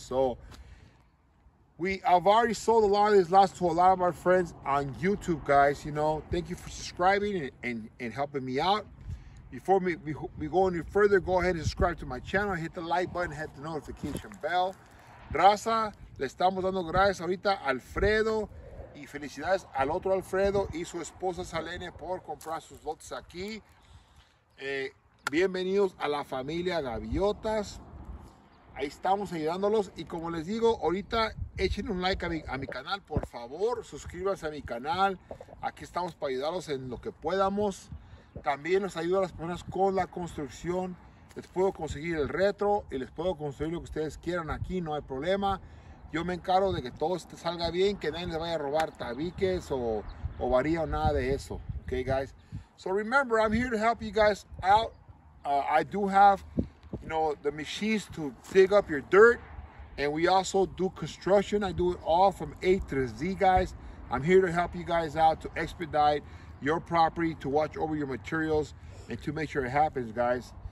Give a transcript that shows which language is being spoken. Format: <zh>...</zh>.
<en>So I've already sold a lot of these lots to a lot of our friends on YouTube, guys. You know, thank you for subscribing and helping me out. Before we go any further, go ahead and subscribe to my channel, hit the like button, hit the notification bell.</en> <es>Raza, le estamos dando gracias ahorita a Alfredo. Y felicidades al otro Alfredo y su esposa Salene por comprar sus lotes aquí. Bienvenidos a la familia Gaviotas. Ahí estamos ayudándolos. Y como les digo, ahorita echen un like a mi canal, por favor. Suscríbanse a mi canal. Aquí estamos para ayudarlos en lo que podamos. También les ayudo a las personas con la construcción. Les puedo conseguir el retro y les puedo construir lo que ustedes quieran aquí. No hay problema. Yo me encargo de que todo esto salga bien, que nadie les vaya a robar tabiques o varía o nada de eso.</es> <en>Okay, guys. So remember, I'm here to help you guys out. I do have, you know, the machines to dig up your dirt. And we also do construction. I do it all from A to Z, guys. I'm here to help you guys out, to expedite your property, to watch over your materials, and to make sure it happens, guys.</en>